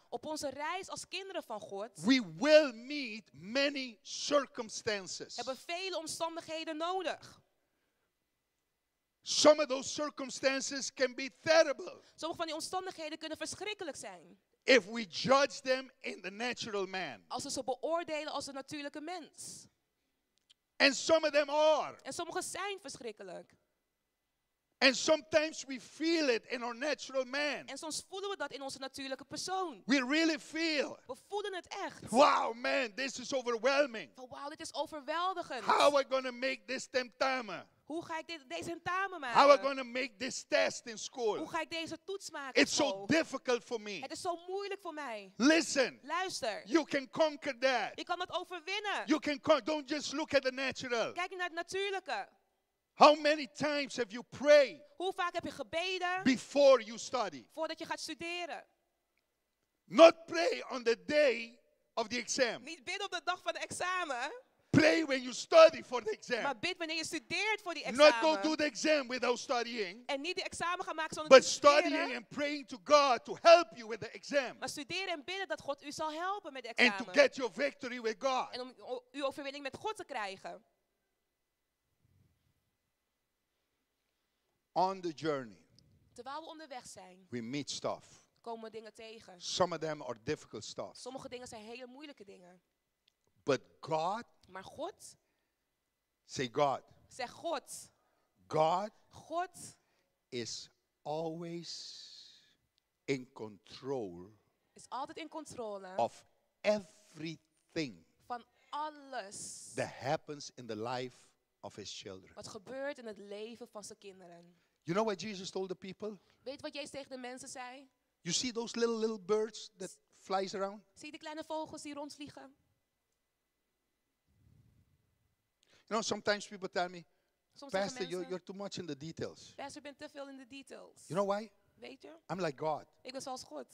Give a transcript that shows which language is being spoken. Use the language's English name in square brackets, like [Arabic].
[Dutch] op onze reis als kinderen van God, [English] we will meet many circumstances. [Dutch] Hebben vele omstandigheden nodig. [English] Some of those circumstances can be terrible. [Dutch] Sommige van die omstandigheden kunnen verschrikkelijk zijn. [English] If we judge them in the natural man. [Dutch] Als we ze beoordelen als een natuurlijke mens. [English] And some of them are. [Dutch] En sommige zijn verschrikkelijk. [English] And sometimes we feel it in our natural man. [Dutch] En soms voelen we dat in onze natuurlijke persoon. [English] We really feel. [Dutch] We voelen het echt. [English] Wow, man, this is overwhelming. [Dutch] Oh, wow, dit is overweldigend. [English] How are we gonna make this tentamen? [Dutch] Hoe ga ik deze tentamen maken? [English] How are we gonna make this test in school? [Dutch] Hoe ga ik deze toets maken? [English] It's so difficult for me. [Dutch] Het is zo moeilijk voor mij. [English] Listen. [Dutch] Luister. [English] You can conquer that. [Dutch] Je kan dat overwinnen. [English] You can don't just look at the natural. [Dutch] Kijk naar het natuurlijke. [English] How many times have you prayed? [Dutch] Hoe vaak heb je gebeden? [English] Before you study. [Dutch] Voordat je gaat studeren. [English] Not pray on the day of the exam. [Dutch] Niet bidden op de dag van de examen. [English] Pray when you study for the exam. [Dutch] Maar bid wanneer je studeert voor die examen. [English] Not go do the exam without studying. [Dutch] En niet de examen gaan maken zonder [English] but [Dutch] te studeren. [English] But studying and praying to God to help you with the exam. [Dutch] Maar studeren en bidden dat God u zal helpen met de examen. [English] And to get your victory with God. [Dutch] En om uw overwinning met God te krijgen. [English] On the journey. [Dutch] Terwijl we onderweg zijn. [English] We meet stuff. [Dutch] Komen dingen tegen. [English] Some of them are difficult stuff. [Dutch] Sommige dingen zijn hele moeilijke dingen. [English] But God. [Dutch] Maar God. [English] Say God. [Dutch] Zeg God. [English] God. [Dutch] God. [English] Is always in control. [Dutch] Is altijd in controle. [English] Of everything. [Dutch] Van alles. [English] That happens in the life of his children. [Dutch] Wat gebeurt in het leven van zijn kinderen. [English] You know what Jesus told the people? [Dutch] Weet wat Jezus tegen de mensen zei? [English] You see those little birds that flies around? [Dutch] Zie die kleine vogels die rondvliegen? [English] You know, sometimes people tell me, Pastor, you're too much in the details. [Dutch] Pastor, ben te veel in [English] the details. You know why? [Dutch] Weet je? [English] I'm like God. [Dutch] Ik ben zoals God.